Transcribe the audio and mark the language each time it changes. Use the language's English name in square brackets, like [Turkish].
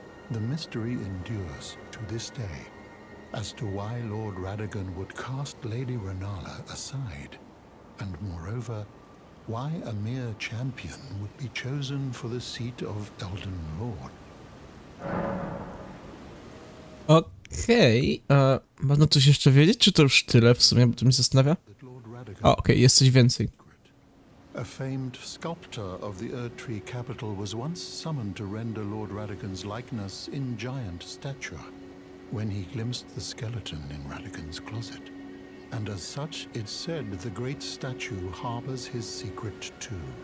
[English] The mystery endures to this day as to why Lord Radagon would cast Lady Renala aside, and moreover, why a mere champion would be chosen for the seat of Elden Lord. [Polish] Okej, można coś jeszcze wiedzieć, czy to już tyle w sumie, bo to mnie zastanawia? Okej, jest coś więcej. [English] A famed sculptor of the Erd Tree capital was once summoned to render Lord Radagon's likeness in giant stature when he glimpsed the skeleton in Radagon's closet. And as such, it's said the great statue harbors his secret too.